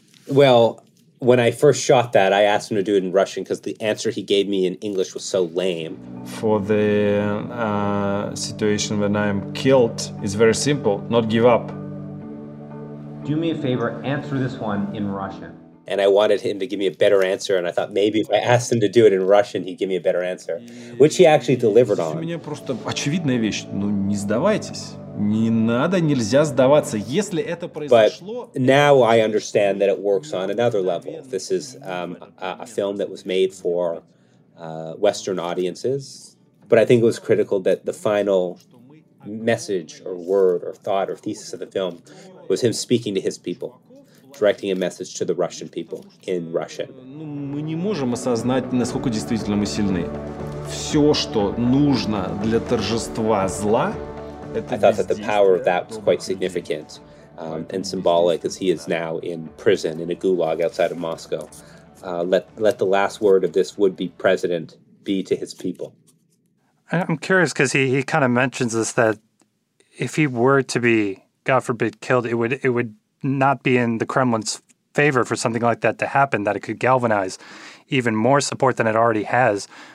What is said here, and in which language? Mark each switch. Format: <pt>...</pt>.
<en>Well, when I first shot that, I asked him to do it in Russian because the answer he gave me in English was so lame. For the situation when I'm killed, it's very simple. Not give up. Do me a favor, answer this one in Russian. And I wanted him to give me a better answer. And I thought maybe if I asked him to do it in Russian, he'd give me a better answer, which he actually delivered on.</en> <ru>У меня просто очевидная вещь. Ну, не сдавайтесь. Не надо, нельзя сдаваться. Если это произошло...</ru> <en>But now I understand that it works on another level. This is a film that was made for Western audiences. But I think it was critical that the final message or word or thought or thesis of the film was him speaking to his people. directing a message to the Russian people in Russian.</en> <ru>Мы не можем осознать, насколько действительно мы сильны. Все, что нужно для торжества зла, это.</ru> <en>I thought that the power of that was quite significant and symbolic, as he is now in prison in a gulag outside of Moscow. Let the last word of this would-be president be to his people. I'm curious because he kind of mentions this, that if he were to be, God forbid, killed, it would not be in the Kremlin's favor for something like that to happen, that it could galvanize even more support than it already has.</en>